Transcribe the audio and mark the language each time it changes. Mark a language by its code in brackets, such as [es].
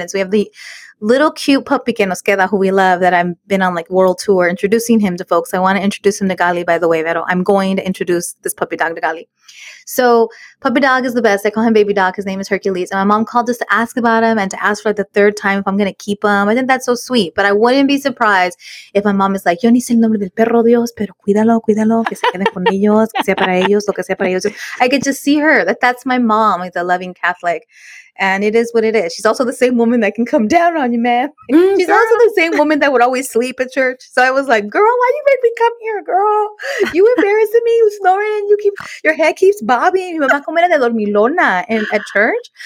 [en] And so we have the little cute puppy, [es] que nos queda, [en] who we love, that I've been on like world tour introducing him to folks. I want to introduce him to Gali, by the way, Vero. I'm going to introduce this puppy dog to Gali. So puppy dog is the best. I call him baby dog. His name is Hercules. And my mom called us to ask about him and to ask for like the third time if I'm going to keep him. I think that's so sweet. But I wouldn't be surprised if my mom is like, [es] yo ni sé el nombre del perro, Dios, pero cuídalo, cuídalo, que se queden con ellos, que sea para ellos, lo que sea para ellos. [en] I could just see her. That's my mom, like the loving Catholic. And it is what it is. She's also the same woman that can come down on you, man. She's also the same woman that would always sleep at church. So I was like, girl, why you make me come here, girl? You embarrassing me. You snoring. You keep, your head keeps bobbing. [es] Mi mamá comía de dormilona [en] at church.